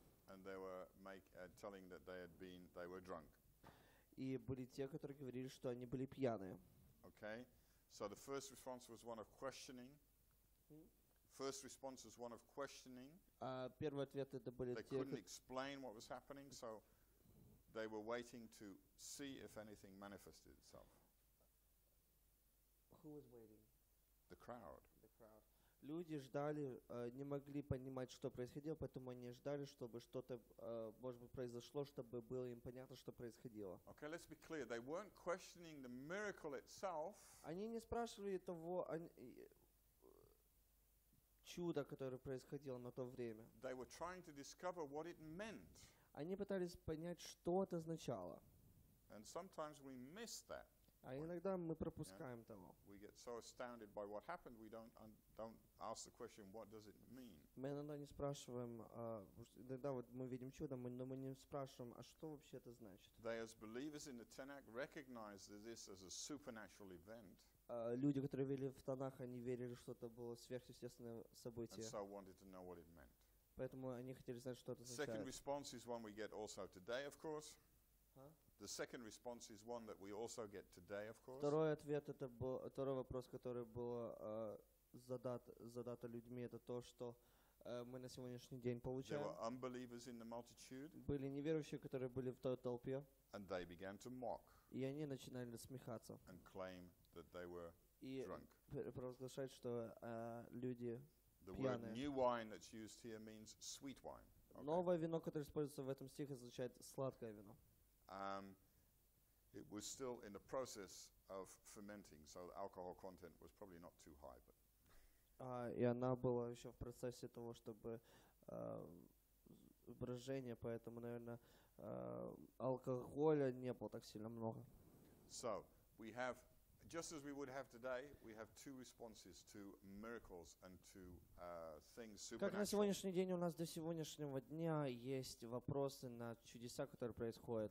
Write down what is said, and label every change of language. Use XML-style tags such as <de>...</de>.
<en>And they were telling that they were drunk.</en> <ru>И были те, которые говорили, что они были пьяные.</ru> <en>Okay. So the first response was one of questioning. First response was one of questioning.</en> <ru>Первый ответ это были те,</ru> <en>they couldn't explain what was happening, so they were waiting to see if anything manifested itself. Who was waiting? The crowd. The crowd.</en> <ru>Люди ждали, не могли понимать, что происходило, поэтому они ждали, чтобы что-то, может быть, произошло, чтобы было им понятно, что происходило.</ru> <en>Okay, let's be clear. They weren't questioning the miracle itself.</en> <ru>Они не спрашивали того чуда, которое происходило на то время.</ru> <en>They were trying to discover what it meant.</en> <ru>Они пытались понять, что это означало.</ru> <en>And sometimes we miss that.</en> <ru>А иногда мы пропускаем того.</ru> <en>We get so astounded by what happened, we don't ask the question, what does it mean?</en> <ru>Мы иногда не спрашиваем, иногда вот мы видим чудо, но мы не спрашиваем, а что вообще это значит?</ru> <en>They as believers in the Tanakh recognized this as a supernatural event.</en> <ru>Люди, которые верили в Танах, они верили, что это было сверхъестественное событие.</ru> <en>And so wanted to know what it meant.</en> <ru>Поэтому они хотели знать, что это означает.</ru> <en>Second response is one we get also today, of course. The second response is one that we also get today, of course.</en> <ru>Второй ответ это был, второй вопрос, который был задан людьми, это то, что мы на сегодняшний день получаем.</ru> <en>There were unbelievers in the multitude.</en> <ru>Были неверующие, которые были в той толпе.</ru> <en>And they began to mock.</en> <ru>И они начинали смеяться.</ru> <en>And claim that they were drunk.</en> <ru>И провозглашать, что люди</ru> <en>the</en> <ru>пьяные.</ru> <en>Word new wine that's used here means sweet wine. Okay.</en> <ru>Новое вино, которое используется в этом стихе, означает сладкое вино.</ru> <en>It was still in the process of fermenting, so the alcohol content was probably not too high. But</en> <ru>и она была еще в процессе того, чтобы брожение, поэтому, наверное, алкоголя не было так сильно много.</ru> <en>So we have, just as we would have today, we have two responses to miracles and to things supernatural.</en> <ru>Как на сегодняшний день у нас до сегодняшнего дня есть вопросы на чудеса, которые происходят.</ru>